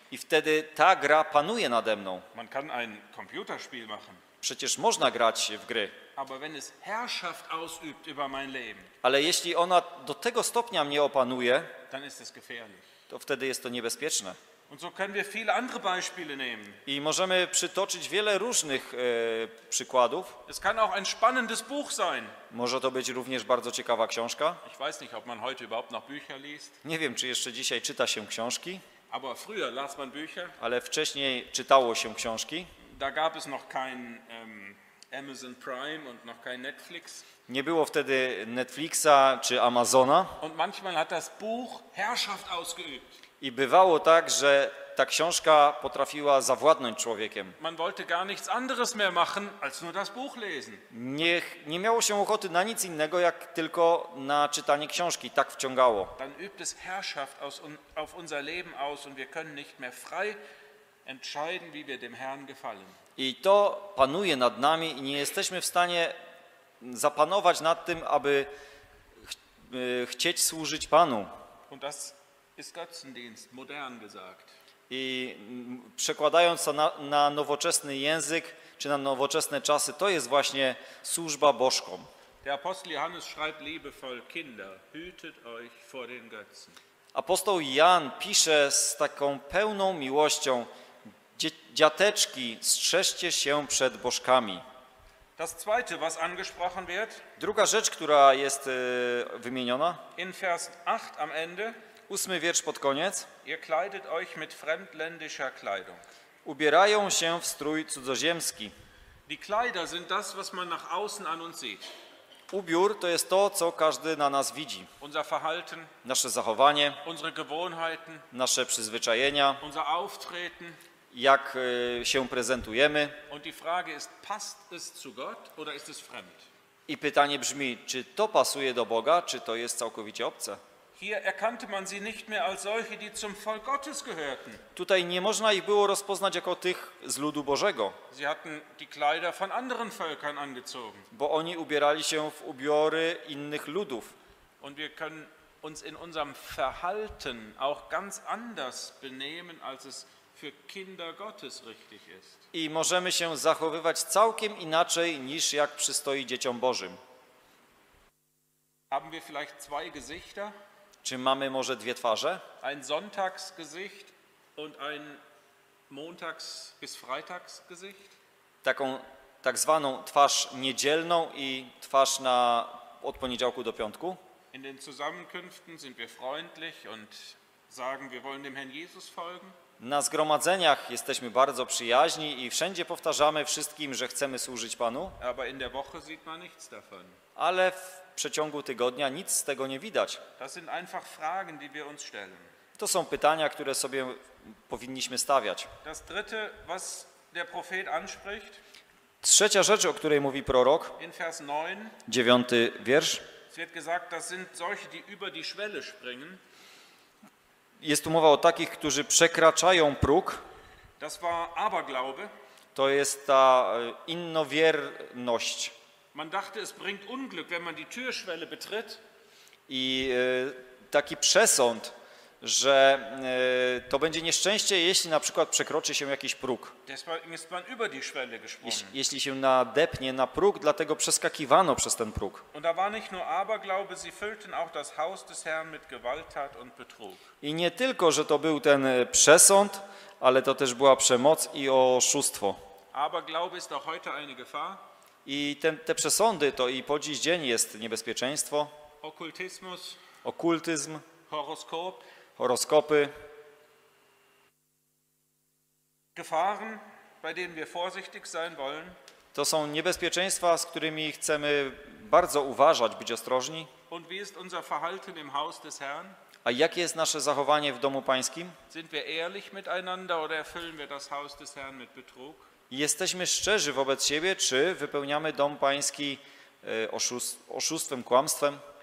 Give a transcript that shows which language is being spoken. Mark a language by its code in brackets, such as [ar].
[pl] I wtedy ta gra panuje nade mną. [de] Man kann ein Computerspiel machen. [pl] Przecież można grać w gry. [de] Aber wenn es Herrschaft ausübt über mein Leben. [pl] Ale jeśli ona do tego stopnia mnie opanuje, [de] dann ist es gefährlich. [pl] To wtedy jest to niebezpieczne. [de] Und so können wir viele andere Beispiele nehmen. [pl] I możemy przytoczyć wiele różnych przykładów. [de] Es kann auch ein spannendes Buch sein. [pl] Może to być również bardzo ciekawa książka. [de] Ich weiß nicht, ob man heute überhaupt noch Bücher liest. [pl] Nie wiem, czy jeszcze dzisiaj czyta się książki. [de] Aber früher las man Bücher. [pl] Ale wcześniej czytało się książki. [de] Da gab es noch kein Amazon Prime und noch kein Netflix. [pl] Nie było wtedy Netflixa czy Amazona. [de] Und manchmal hat das Buch Herrschaft ausgeübt. [pl] I bywało tak, że ta książka potrafiła zawładnąć człowiekiem. [de] Man wollte gar nichts anderes mehr machen, als nur das Buch lesen. [pl] Nie miało się ochoty na nic innego, jak tylko na czytanie książki. Tak wciągało. [de] Dann übt es Herrschaft auf unser Leben aus und wir können nicht mehr frei entscheiden, wie wir dem Herrn gefallen. [pl] I to panuje nad nami i nie jesteśmy w stanie zapanować nad tym, aby chcieć służyć Panu. [de] Und das ist Götzendienst, modern gesagt. [pl] I przekładając to na nowoczesny język, czy na nowoczesne czasy, to jest właśnie służba bożkom. [de] Der Apostel Johannes schreibt liebevoll, Kinder, hütet euch vor den Götzen. [pl] Apostoł Jan pisze z taką pełną miłością, dziateczki, strzeżcie się przed bożkami. [de] Das zweite, was angesprochen wird, [pl] druga rzecz, która jest wymieniona, [de] in Vers 8 am Ende, [pl] ósmy wiersz pod koniec. [de] Ihr kleidet euch mit fremdländischer Kleidung. [pl] Ubierają się w strój cudzoziemski. [de] Die Kleider sind das, was man nach außen an uns sieht. [pl] Ubiór to jest to, co każdy na nas widzi. [de] Unser Verhalten, [pl] nasze zachowanie, [de] unsere Gewohnheiten, [pl] nasze przyzwyczajenia, [de] unser Auftreten, [pl] jak się prezentujemy. [de] Und die Frage ist, passt es zu Gott oder ist es fremd? [pl] I pytanie brzmi, czy to pasuje do Boga, czy to jest całkowicie obce? [de] Hier erkannte man sie nicht mehr als solche, die zum Volk Gottes gehörten. [pl] Tutaj nie można ich było rozpoznać jako tych z ludu Bożego. [de] Sie hatten die Kleider von anderen Völkern angezogen. [pl] Bo oni ubierali się w ubiory innych ludów. [de] Und wir können uns in unserem Verhalten auch ganz anders benehmen, als es für Kinder Gottes richtig ist. [pl] I możemy się zachowywać całkiem inaczej, niż jak przystoi dzieciom Bożym. [de] Haben wir vielleicht zwei Gesichter? [pl] Czy mamy może dwie twarze? [de] Ein Sonntagsgesicht und ein Montags- bis Freitagsgesicht? [pl] Taką tak zwaną twarz niedzielną i twarz na od poniedziałku do piątku? [de] In den Zusammenkünften sind wir freundlich und sagen, wir wollen dem Herrn Jesus folgen. [pl] Na zgromadzeniach jesteśmy bardzo przyjaźni i wszędzie powtarzamy wszystkim, że chcemy służyć Panu. [de] Aber in der Woche sieht man nichts davon. [pl] Ale w przeciągu tygodnia nic z tego nie widać. [de] Das sind einfach Fragen, die wir uns stellen. [pl] To są pytania, które sobie powinniśmy stawiać. [de] Das dritte, was der Prophet anspricht, [pl] trzecia rzecz, o której mówi prorok, [de] in Vers 9, [pl] dziewiąty wiersz, [de] es wird gesagt, das sind solche, die über die Schwelle springen. [pl] Jest tu mowa o takich, którzy przekraczają próg. [de] Das war Aberglaube. [pl] To jest ta innowierność. [de] Man dachte, es bringt Unglück, wenn man die Türschwelle betritt. [pl] I taki przesąd, że to będzie nieszczęście, jeśli na przykład przekroczy się jakiś próg. [de] Deswegen ist man über die Schwelle gesprungen. [pl] Jeśli się nadepnie na próg, dlatego przeskakiwano przez ten próg. [de] Und da war nicht nur Aberglaube, sie füllten auch das Haus des Herrn mit Gewalttat und Betrug. [pl] I nie tylko, że to był ten przesąd, ale to też była przemoc i oszustwo. [de] Aberglaube ist auch heute eine Gefahr. [pl] I te przesądy to i po dziś dzień jest niebezpieczeństwo. [de] Okultyzmus. [pl] Okultyzm. [de] Horoskop. [pl] Horoskopy. [de] Gefahren, bei denen wir vorsichtig sein wollen. [pl] To są niebezpieczeństwa, z którymi chcemy bardzo uważać, być ostrożni. [de] Und wie ist unser Verhalten im Haus des Herrn? [pl] A jakie jest nasze zachowanie w domu Pańskim? [de] Sind wir ehrlich miteinander oder erfüllen wir das Haus des Herrn mit Betrug? [pl] Jesteśmy szczerzy wobec siebie, czy wypełniamy dom Pański oszustwem, kłamstwem?